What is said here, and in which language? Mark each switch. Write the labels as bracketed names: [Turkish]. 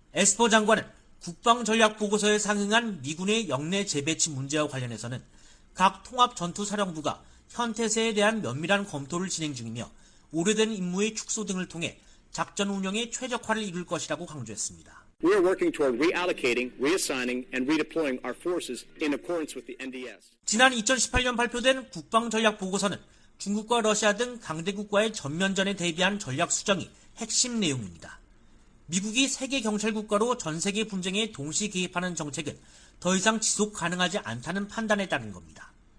[Korean] 에스퍼 장관은 국방전략보고서에 상응한 미군의 역내 재배치 문제와 관련해서는 각 통합전투사령부가 현태세에 대한 면밀한 검토를 진행 중이며 오래된 임무의 축소 등을 통해 작전 운영에 최적화를 이룰 것이라고 강조했습니다. [English] We are working toward reallocating, reassigning, and redeploying our forces in accordance with the NDS. [Korean] 지난 2018년 발표된 국방전략보고서는 중국과 러시아 등 강대국과의 전면전에 대비한 전략 수정이 핵심 내용입니다. 미국이 세계 경찰국가로 전 세계 분쟁에 동시 개입하는 정책은 더 이상 지속 가능하지 않다는 판단에 따른 겁니다.